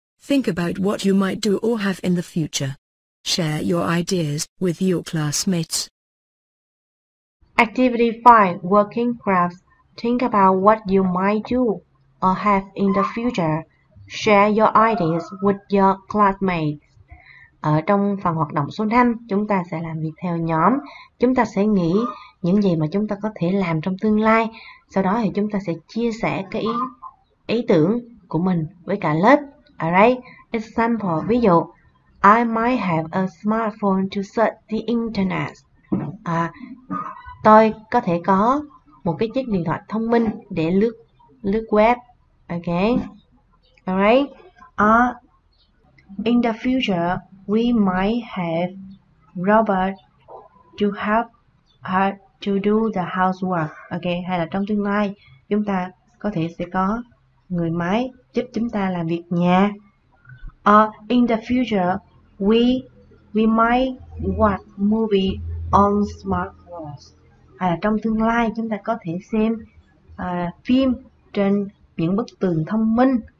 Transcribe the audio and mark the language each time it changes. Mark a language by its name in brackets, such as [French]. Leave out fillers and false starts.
[English] Think about what you might do or have in the future. Share your ideas with your classmates. Activity 5. Working groups. Think about what you might do or have in the future. Share your ideas with your classmates. [Vietnamese] Ở trong phần hoạt động số 5, chúng ta sẽ làm việc theo nhóm. Chúng ta sẽ nghĩ những gì mà chúng ta có thể làm trong tương lai. Sau đó thì chúng ta sẽ chia sẻ cái ý tưởng của mình với cả lớp. [English] Alright, example, [Vietnamese] ví dụ, [English] I might have a smartphone to search the internet. [Vietnamese] Tôi có thể có một cái chiếc điện thoại thông minh để lướt web. [English] Okay. Alright. In the future, we might have robot to help her to do the housework. [Vietnamese] Okay, hay là trong tương lai, chúng ta có thể sẽ có người máy giúp chúng ta làm việc nhà. [English] In the future, we might watch movie on smartphones. [Vietnamese] Hay là trong tương lai, chúng ta có thể xem phim trên những bức tường thông minh.